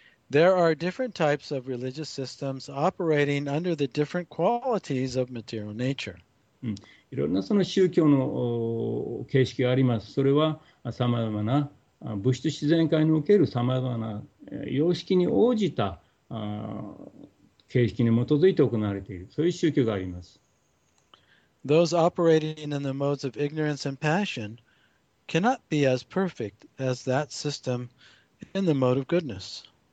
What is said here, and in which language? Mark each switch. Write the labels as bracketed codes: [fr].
[en] There are different types of religious systems operating under the different qualities of material nature. [ja] いろんなその宗教の形式があります。それはさまざまな物質自然界におけるさまざまな様式に応じた形式に基づいて行われている、そういう宗教があります。 [en] Those operating in the modes of ignorance and passion cannot be as perfect as that system in the mode of goodness.